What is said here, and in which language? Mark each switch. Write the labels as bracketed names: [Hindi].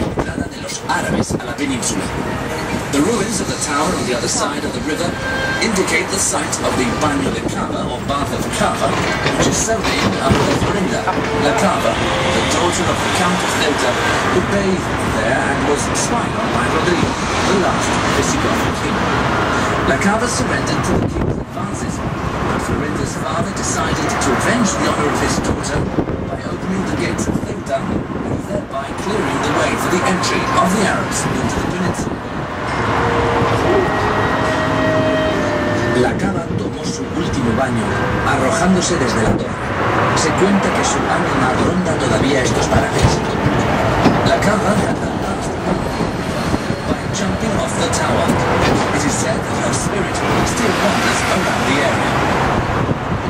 [English] The ruins of the tower on the other side of the river indicate the site of the Baño de Cava, or Bath of Cava, which is so named after Florinda, La Cava, the daughter of the Count of Ceuta, who bathed there and was spied on by Rodrigo, the last Visigothic king. La Cava surrendered to the king's advances, but Florinda's father decided to avenge the honor of his daughter by opening the gates of Ceuta, thereby clearing the way for the entry of the Arabs into the peninsula. [Spanish] La Cava tomó su último baño, arrojándose desde la torre. Se cuenta que su ánima ronda todavía estos parajes. [English] La Cava had her last by jumping off the tower. It is said that her spirit still wanders around the area.